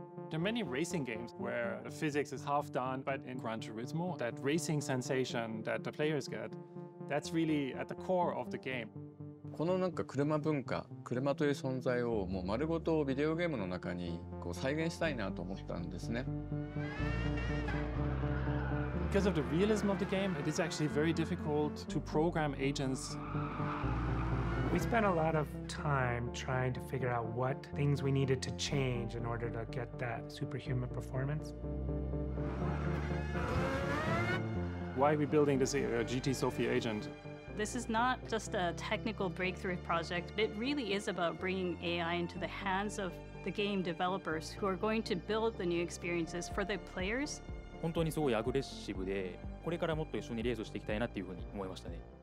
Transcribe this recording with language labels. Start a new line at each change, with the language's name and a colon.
English: There are many racing games where the physics is half done, but in Gran Turismo, that racing sensation that the players get, that's really at the core of the game.
Japanese: このなんか車文化、車という存在をもう丸ごとビデオゲームの中にこう再現したいなと思ったんですね。
English: Because of the realism of the game, it is actually very difficult to program agents. We spent a lot of time trying to figure out what things we needed to change in order to get that superhuman performance. Why are we building this GT Sophy agent? This is not just a technical breakthrough project. It really is about bringing AI into the hands of the game developers who are going to build the new experiences for the players.
Japanese: 本当にすごいアグレッシブで、これからもっと一緒にレースしていきたいなっていうふうに思いましたね。